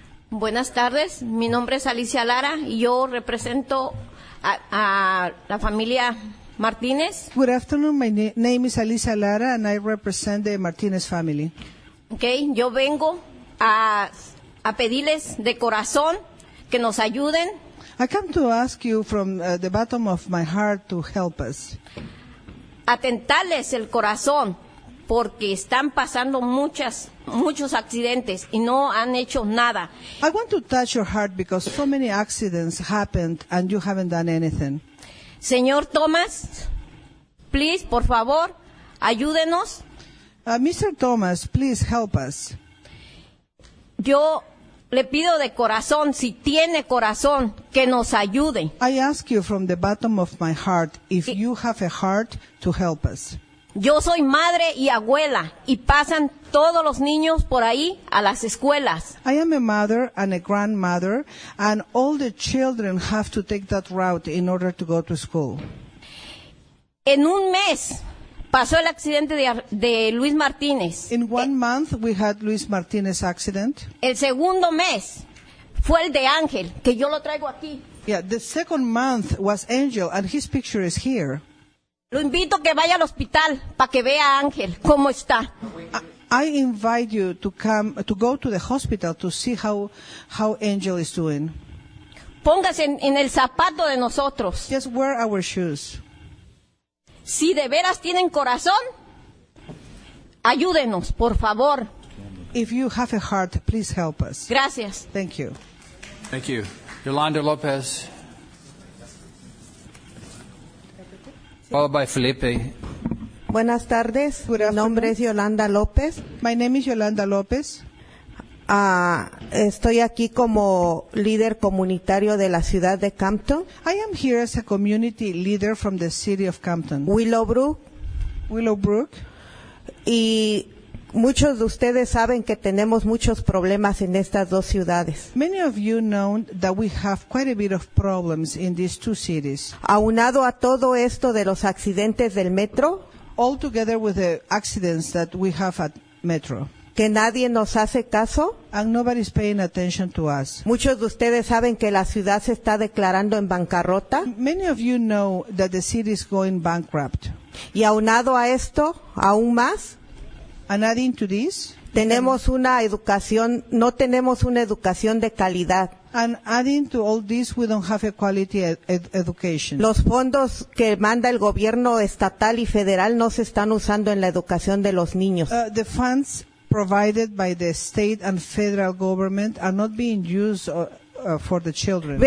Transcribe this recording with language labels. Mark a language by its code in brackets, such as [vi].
[es] Buenas tardes, mi nombre es Alicia Lara y yo represento a la familia Martínez. [en] Good afternoon, my name is Alicia Lara and I represent the Martínez family. [es] Okay, yo vengo a pedirles de corazón que nos ayuden. [en] I come to ask you from the bottom of my heart to help us. [es] Atentarles el corazón porque están pasando muchos accidentes y no han hecho nada. [en] I want to touch your heart because so many accidents happened and you haven't done anything. [es] Señor Thomas, [en] Please, [es] por favor, ayúdenos. [en] Mr. Thomas, please help us. [es] Yo le pido de corazón, si tiene corazón, que nos ayude. [en] I ask you from the bottom of my heart, if you have a heart, to help us. [es] Yo soy madre y abuela, y pasan todos los niños por ahí a las escuelas. [en] I am a mother and a grandmother, and all the children have to take that route in order to go to school. [es] En un mes pasó el accidente de Luis Martínez. [en] In one month we had Luis Martínez accident. [es] El segundo mes fue el de Ángel, que yo lo traigo aquí. [en] Yeah, the second month was Angel, and his picture is here. [es] Lo invito que vaya al hospital para que vea a Ángel cómo está. [en] I invite you to come to go to the hospital to see how Angel is doing. [es] Póngase en el zapato de nosotros. [en] Just wear our shoes. [es] Si de veras tienen corazón, ayúdenos, por favor. [en] If you have a heart, please help us. [es] Gracias. [en] Thank you. Thank you. Yolanda Lopez. Followed by Felipe. [es] Buenas tardes. Mi nombre es Yolanda López. [en] My name is Yolanda López. [es] Estoy aquí como líder comunitario de la ciudad de Campton. [en] I am here as a community leader from the city of Campton. Willowbrook. [es] Y muchos de ustedes saben que tenemos muchos problemas en estas dos ciudades. [en] Many of you know that we have quite a bit of problems in these two cities. [es] Aunado a todo esto de los accidentes del metro, [en] all together with the accidents that we have at Metro, [es] que nadie nos hace caso, [en] and nobody's paying attention to us. [es] Muchos de ustedes saben que la ciudad se está declarando en bancarrota. [en] Many of you know that the city is going bankrupt. [es] Y aunado a esto, aún más, [en] and adding to this, [es] tenemos una educación, no tenemos una educación de calidad. [en] And adding to all this, we don't have a quality education. [es] Los fondos que manda el gobierno estatal y federal no se están usando en la educación de los niños. [en] The funds provided by the state and federal government are not being used for the children.